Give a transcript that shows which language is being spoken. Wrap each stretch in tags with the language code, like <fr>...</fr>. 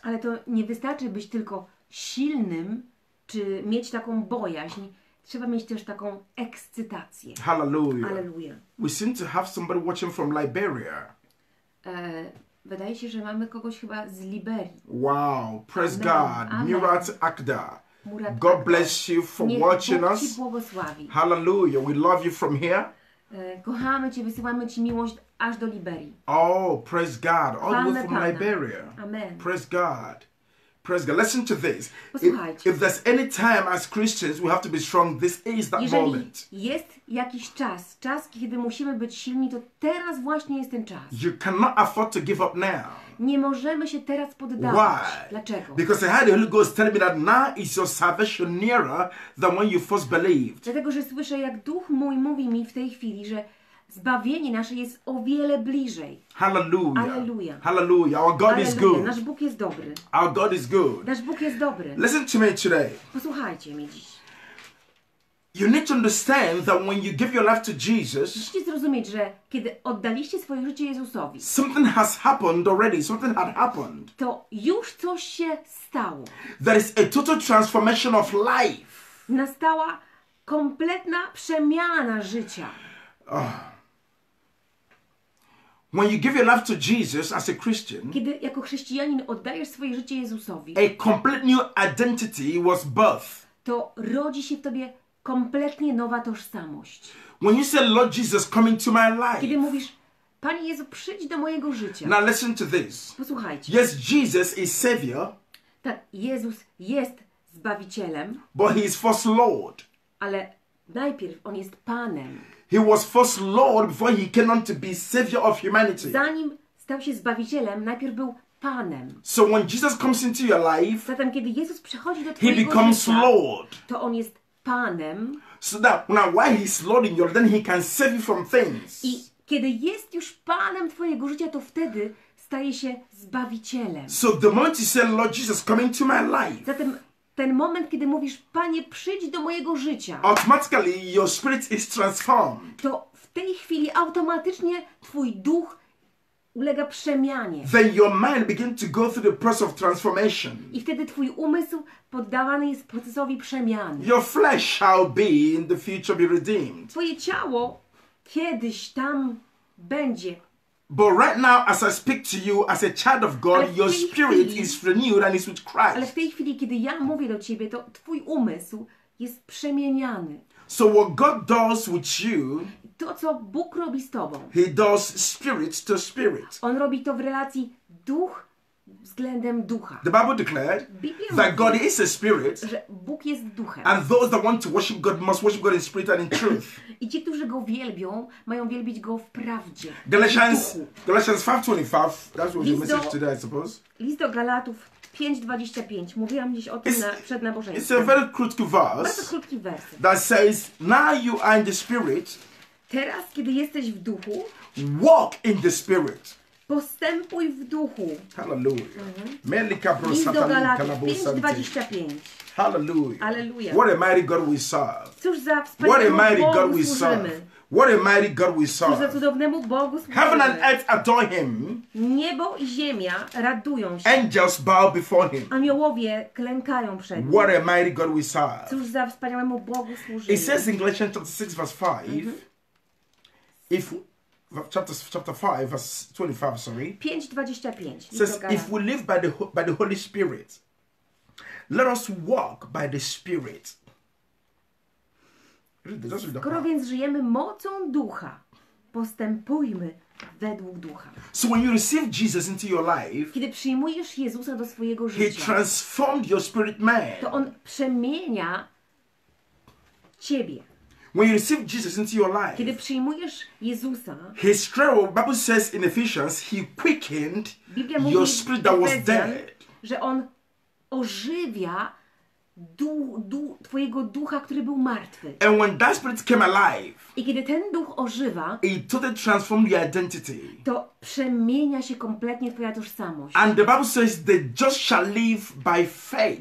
<pl>Ale to nie wystarczy być tylko silnym, czy mieć taką bojaźń. Trzeba mieć też taką ekscytację.</pl> <en>Hallelujah. Hallelujah. We seem to have somebody watching from Liberia.</en> <pl>Wydaje się, że mamy kogoś chyba z Liberii.</pl> <en>Wow, praise Amen. God. Amen. Murat Akda. Murat God Akda. Bless you for</en> <pl>Niech</pl> <en>watching</en> <pl>Bóg</pl> <en>us.</en> <pl>Ci błogosławi.</pl> <en>Hallelujah. We love you from here.</en> <pl>Kochamy Cię, wysyłamy Ci miłość aż do Liberii.</pl> <en>Oh, praise God. All the way from</en> <pl>Pana.</pl> <en>Liberia. Amen. Praise God. Praise God. Listen to this. If there's any time as Christians we have to be strong, this is that</en> <pl>Jeżeli</pl> <en>moment.</en> <pl>Jest jakiś czas, kiedy musimy być silni, to teraz właśnie jest ten czas.</pl> <en>You cannot afford to give up now.</en> <pl>Nie możemy się teraz poddawać.</pl> <en>Why?</en> <pl>Dlaczego?</pl> <en>Because I had the Holy Ghost telling me that now is your salvation nearer than when you first believed.</en> <pl>Dlatego, że słyszę, jak Duch mój mówi mi w tej chwili, że zbawienie nasze jest o wiele bliżej.</pl> <en>Hallelujah. Hallelujah. Our God is good.</en> <pl>Nasz Bóg jest dobry.</pl> <en>Our God is good.</en> <pl>Nasz Bóg jest dobry.</pl> <en>Listen to me today.</en> <pl>Posłuchajcie mnie dziś.</pl> <en>You need to understand that when you give your life to Jesus,</en> <pl>musicie zrozumieć, że kiedy oddaliście swoje życie Jezusowi,</pl> <en>something has happened already. Something had happened.</en> <pl>To już coś się stało.</pl> <en>There is a total transformation of life.</en> <pl>Nastała kompletna przemiana życia. Oh.</pl> <en>When you give your life to Jesus as a Christian,</en> <pl>kiedy jako chrześcijanin oddajesz swoje życie Jezusowi,</pl> <en>a complete new identity was birth.</en> <pl>To rodzi się w tobie kompletnie nowa tożsamość.</pl> <en>When you say, Lord Jesus, come into my life.</en> <pl>Kiedy mówisz, Panie Jezu, przyjdź do mojego życia.</pl> <en>Now listen to this.</en> <pl>Posłuchajcie.</pl> <en>Yes, Jesus is Savior.</en> <pl>Tak, Jezus jest Zbawicielem.</pl> <en>But he is first Lord.</en> <pl>Ale najpierw on jest Panem.</pl> <en>He was first Lord before he came on to be Savior of humanity.</en> <pl>Zanim stał się Zbawicielem, najpierw był Panem.</pl> <en>So when Jesus comes into your life,</en> <pl>zatem kiedy Jezus przychodzi do twojego życia,</pl> <en>he becomes Lord.</en> <pl>To on jest Panem.</pl> <en>So that now while he's Lord in your life, then he can save you from things.</en> <pl>I kiedy jest już Panem twojego życia, to wtedy staje się Zbawicielem.</pl> <en>So the moment you say, Lord Jesus, come into my life.</en> <pl>Zatem ten moment, kiedy mówisz, Panie, przyjdź do mojego życia.</pl> <en>Automatically your spirit is transformed.</en> <pl>To w tej chwili automatycznie twój duch ulega przemianie.</pl> <en>Then your mind begins to go through the process of transformation.</en> <pl>I wtedy twój umysł poddawany jest procesowi przemiany.</pl> <en>Your flesh shall be in the future be redeemed.</en> <pl>Twoje ciało kiedyś tam będzie.</pl> <en>But right now, as I speak to you, as a child of God, your spirit is renewed and is with Christ.</en> <pl>Ale w tej chwili, kiedy ja mówię do ciebie, to twój umysł jest przemieniany.</pl> <en>So what God does with you,</en> <pl>to co Bóg robi z tobą,</pl> <en>he does spirit to spirit.</en> <pl>On robi to w relacji duch względem ducha.</pl> <en>The Bible declared that God is a spirit,</en> <pl>że Bóg jest duchem.</pl> <en>And those that want to worship God must worship God in spirit and in truth.</en> <pl>I ci, którzy go wielbią, mają wielbić go w prawdzie.</pl> <en>Galatians 5:25. That's what your message today, I suppose.</en> <pl>List do Galatów 5:25. Mówiłam gdzieś o tym przed nabożeństwem.</pl> <en>It's a very</en> <pl>krótki</pl> <en>verse.</en> <pl>Bardzo krótki werset.</pl> <en>That says, now you are in the spirit.</en> <pl>Teraz, kiedy jesteś w duchu,</pl> <en>walk in the spirit.</en> <pl>Postępuj w duchu.</pl> <en>Hallelujah. Melika Brosatalika na Bosanty. Hallelujah. Hallelujah. What a mighty God we serve.</en> <pl>Cóż za wspaniały Bogu służymy.</pl> <en>What a mighty God we serve.</en> <pl>Cóż za cudownemu Bogu służymy.</pl> <en>Heaven and earth adore him.</en> <pl>Niebo i ziemia radują się.</pl> <en>Angels bow before him.</en> <pl>Aniołowie klękają przed nim.</pl> <en>What a mighty God we serve.</en> <pl>Cóż za wspaniałemu Bogu służymy.</pl> <en>It says in Galatians 6:5. If chapter 5, verse 25, sorry. 5:25. Says, if we live by the Holy Spirit, let us walk by the Spirit.</en> <pl>Skoro więc żyjemy mocą ducha, postępujmy według ducha.</pl> <en>So when you receive Jesus into your life,</en> <pl>kiedy przyjmujesz Jezusa do swojego życia,</pl> <en>he transformed your spirit man.</en> <pl>To on przemienia ciebie.</pl> <en>When you receive Jesus into your life,</en> <pl>kiedy przyjmujesz Jezusa,</pl> <en>His trail, Bible says in Ephesians, He quickened your spirit that was dead.</en> <pl>Że on ożywia twojego ducha, który był martwy.</pl> <en>And when that spirit came alive,</en> <pl>i kiedy ten duch ożywa,</pl> <en>it totally transformed your identity.</en> <pl>To przemienia się kompletnie twoja tożsamość.</pl> <en>And the Bible says the just shall live by faith.</en>